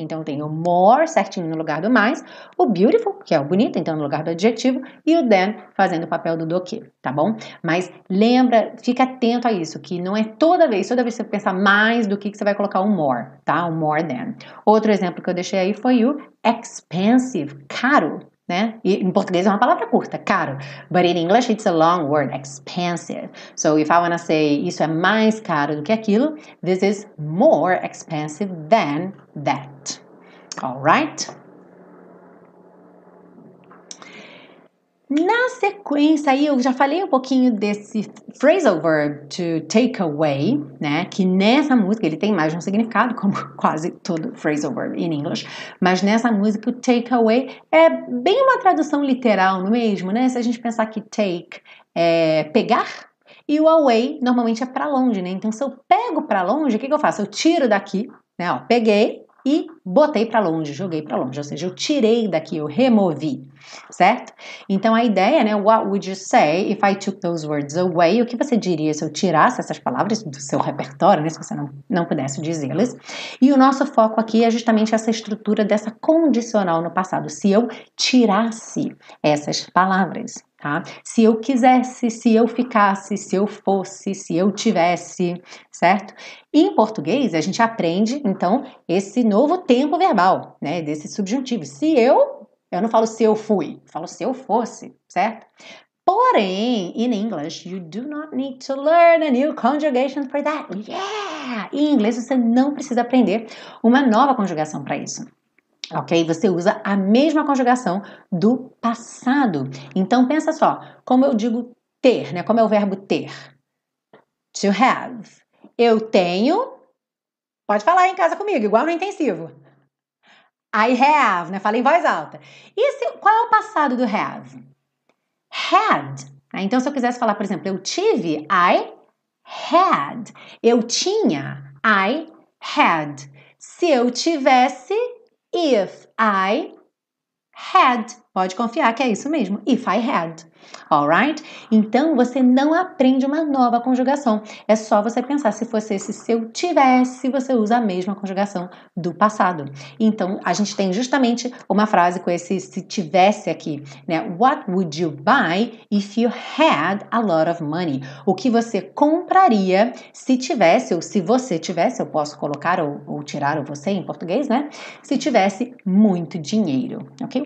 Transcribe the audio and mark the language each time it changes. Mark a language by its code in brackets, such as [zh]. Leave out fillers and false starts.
[pt] Então eu tenho o more certinho no lugar do mais, o beautiful, que é o bonito, então no lugar do adjetivo, e o than fazendo o papel do que, tá bom? Mas lembra, fica atento a isso, que não é toda vez que você pensar mais do que você vai colocar o more, tá? O more than. Outro exemplo que eu deixei aí foi o expensive, caro. Né? E em português é uma palavra curta, caro. [en] But in English it's a long word, expensive. So if I want to say [pt] isso é mais caro do que aquilo, [en] this is more expensive than that. All right? [pt] Na sequência aí, eu já falei um pouquinho desse phrasal verb to take away, né? Que nessa música ele tem mais de um significado, como quase todo phrasal verb in English. Mas nessa música o take away é bem uma tradução literal mesmo, né? Se a gente pensar que take é pegar, E o away normalmente é para longe, né? Então, se eu pego para longe, o que que eu faço? Eu tiro daqui, né? Ó, peguei e botei para longe, joguei para longe. Ou seja, eu tirei daqui, eu removi, certo? Então, a ideia, né? [en] What would you say if I took those words away? [pt] O que você diria se eu tirasse essas palavras do seu repertório, né? Se você não pudesse dizê-las. E o nosso foco aqui é justamente essa estrutura dessa condicional no passado. Se eu tirasse essas palavras. Tá? Se eu quisesse, se eu ficasse, se eu fosse, se eu tivesse, certo? E em português, a gente aprende, então, esse novo tempo verbal, né? Desse subjuntivo. Se eu não falo se eu fui, eu falo se eu fosse, certo? [en] Porém, in English, you do not need to learn a new conjugation for that. Yeah! [pt] Em inglês, você não precisa aprender uma nova conjugação para isso. Ok? Você usa a mesma conjugação do passado. Então, pensa só. Como eu digo ter, né? Como é o verbo ter? To have. Eu tenho. Pode falar aí em casa comigo, igual no intensivo. [en] I have, [pt] né? Fala em voz alta. Qual é o passado do have? Had. Né? Então, se eu quisesse falar, por exemplo, eu tive, [en] I had. [pt] Eu tinha, [en] I had. [pt] Se eu tivesse. [en] If I had, [pt] pode confiar que é isso mesmo, [en] if I had, alright? [pt] Então, você não aprende uma nova conjugação, é só você pensar se fosse esse se eu tivesse, você usa a mesma conjugação do passado. Então, a gente tem justamente uma frase com esse se tivesse aqui, né? [en] What would you buy if you had a lot of money? [pt] O que você compraria se tivesse, ou se você tivesse, eu posso colocar ou tirar o você em português, né? Se tivesse muito dinheiro, ok?